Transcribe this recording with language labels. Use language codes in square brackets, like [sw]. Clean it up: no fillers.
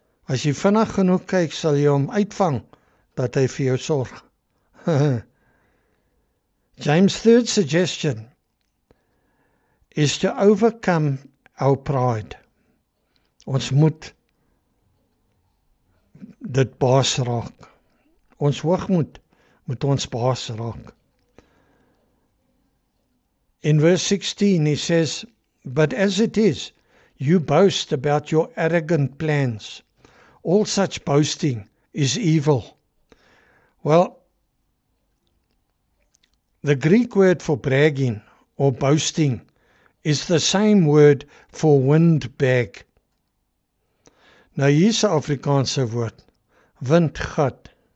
[af] As jy vinnig genoeg kyk, sal jy hom uitvang dat hy vir jou sorg. [en] James' third suggestion is to overcome our pride. [af] Ons moet dit baas raak. Ons hoogmoed moet ons baas raak. [en] In verse 16 he says, but as it is, you boast about your arrogant plans. All such boasting is evil. Well, the Greek word for bragging or boasting is the same word for windbag. [af] Nou hier is 'n Afrikaanse woord, windgat.